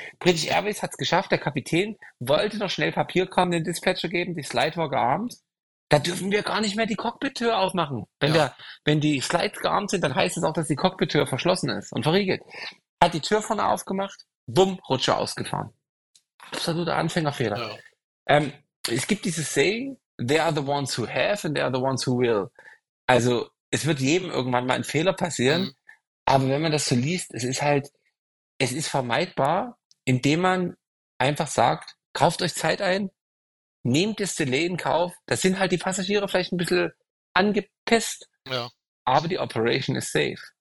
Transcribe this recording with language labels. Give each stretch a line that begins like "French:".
German: British Airways hat es geschafft. Der Kapitän wollte noch schnell Papierkram den Dispatcher geben. Die Slide war gearmt. Da dürfen wir gar nicht mehr die Cockpit-Tür aufmachen. Wenn die Slides gearmt sind, dann heißt es auch, dass die Cockpit-Tür verschlossen ist und verriegelt. Hat die Tür vorne aufgemacht, bumm, Rutsche ausgefahren. Absoluter Anfängerfehler. Es gibt dieses
English: Saying, they are the ones who have and they are the ones who will.
German: Also, es wird jedem irgendwann mal ein Fehler passieren, aber wenn man das so liest, es ist vermeidbar, indem man einfach sagt, kauft euch Zeit ein, nehmt das Delay in Kauf, da sind halt die Passagiere vielleicht ein bisschen angepisst, aber die Operation ist safe.